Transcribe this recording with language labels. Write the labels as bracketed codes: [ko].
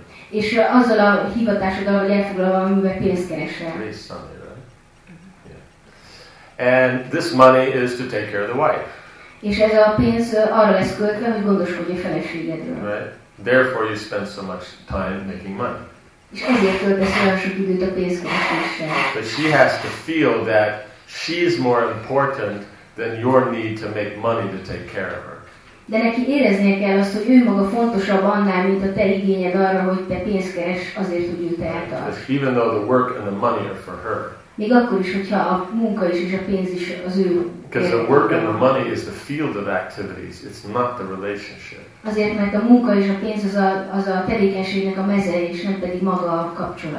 [hu] És azzal a hivatásoddal, hogy elfoglalva, amivel pénzt keresel. [en] Raise some money, right? Yeah. And this money is to take care of the wife. [hu] És ez a pénz arra lesz költve, hogy gondoskodj a feleségedről. [en] Right. Therefore, you spend so much time making money. [hu] És ezért költesz olyan sok időt a pénz keresésre. [en] But she has to feel that she is more important than your need to make money to take care of her. [hu] De neki éreznie kell azt, hogy ő maga fontosabb annál, mint a te igényed arra, hogy te pénzt keres azért, hogy őt eltart. [en] Even though the work and the money are for her. [hu] Még akkor is, hogyha a munka is és a pénz is az ő. [en] Because the work and the money is the field of activities. It's not the relationship. [hu] Azért, mert a munka és a pénz az a tevékenységnek a meze, és nem pedig maga a kapcsolat.